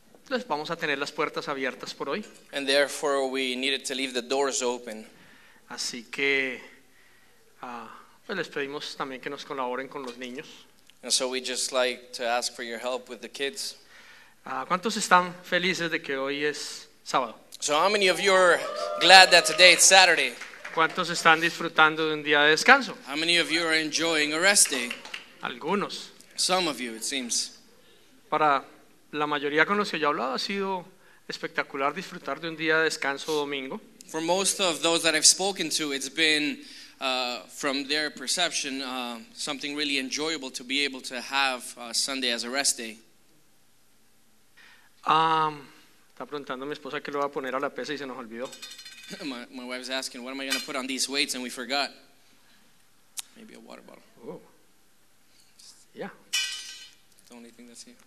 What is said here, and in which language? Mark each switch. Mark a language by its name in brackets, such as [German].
[Spanish] Les vamos a tener las puertas abiertas por hoy. [English] And therefore we needed to leave the doors open. [Spanish] Así que les pedimos también que nos colaboren con los niños. [English] And so we just like to ask for your help with the kids. [Spanish] ¿Cuántos están felices de que hoy es sábado? [English] So how many of you are glad that today is Saturday? [Spanish] ¿Cuántos están disfrutando de un día de descanso? [English] How many of you are enjoying a rest day? [Spanish] Algunos. [English] Some of you, it seems. [Spanish] Para la mayoría con los que yo he hablado ha sido espectacular disfrutar de un día de descanso domingo. [English] For most of those that I've spoken to, it's been, from their perception, something really enjoyable to be able to have Sunday as a rest day. [Spanish] Está preguntando mi esposa qué le va a poner a la pesa y se nos olvidó. [English] My wife's asking, what am I going to put on these weights? And we forgot. Maybe a water bottle. Oh. Yeah. It's the only thing that's here.